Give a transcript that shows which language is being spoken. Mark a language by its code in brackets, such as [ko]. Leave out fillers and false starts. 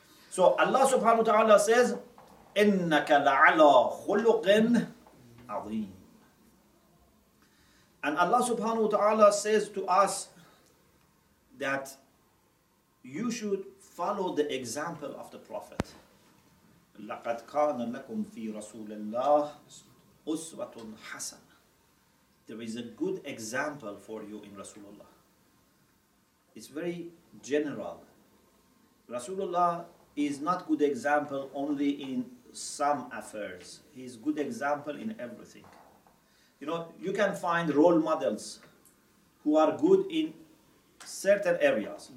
[en] So Allah subhanahu wa ta'ala says, [ar] إِنَّكَ لَعَلَى خُلُقٍ عَظِيمٍ. [en] And Allah subhanahu wa ta'ala says to us that you should follow the example of the Prophet. [ar] لقد كان لكم في رسول الله أسوة حسنة. [en] There is a good example for you in Rasulullah. It's very general. Rasulullah is not good example only in some affairs. He's good example in everything. You know, you can find role models who are good in certain areas.